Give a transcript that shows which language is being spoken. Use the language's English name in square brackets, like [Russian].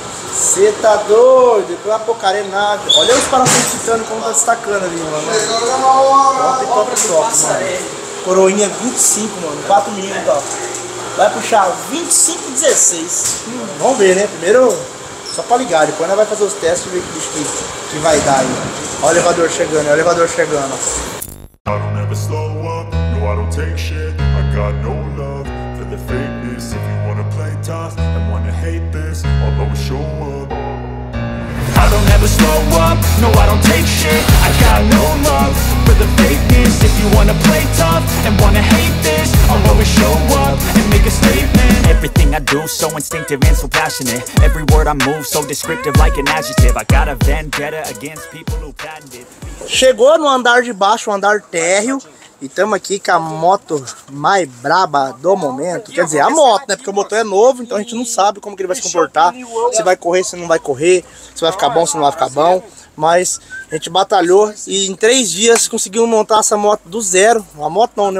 [Portuguese] Cê tá doido, eu tô apocarenado. Olha os parafusos ficando como tá destacando ali, mano. Top, mano. Coroinha 25, mano, 4 minutos, ó. Vai puxar 25 e 16. Vamos ver, né? Primeiro... Só pra ligar, depois nós vamos fazer os testes e ver que bicho que vai dar aí. Olha o elevador chegando, olha o elevador chegando. [English] I don't ever slow up, no, I don't take shit. I got no love for the fakeness. If you wanna play tough and wanna hate this, I'll always show up. I don't ever slow up, no, I don't take shit. I got no love for the fakeness. If you wanna play tough and wanna hate this, I'll always show up and make a statement. Everything I do, so instinctive and so passionate. Every word I move, so descriptive like an adjective. I got a vendetta against people who patented. [Portuguese] Chegou no andar de baixo, o andar térreo. E estamos aqui com a moto mais braba do momento. Quer dizer, a moto, né? Porque o motor é novo, então a gente não sabe como que ele vai se comportar. Se vai correr, se não vai correr. Se vai ficar bom, se não vai ficar bom. Mas a gente batalhou e em 3 dias conseguimos montar essa moto do zero. Uma moto não, né?